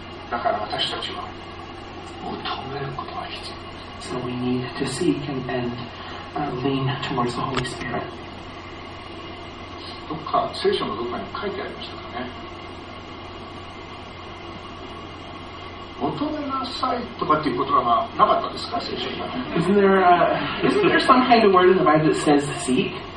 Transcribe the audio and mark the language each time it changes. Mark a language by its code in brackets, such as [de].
[ja] だから私たちは求めることが必要。 [en] So we need to seek and lean towards the Holy Spirit. [ja] どっか聖書のどこかに書いてありましたかね。求めなさいとかっていう言葉がなかったですか、聖書に。 [en] Isn't there some kind of word in the Bible that says seek?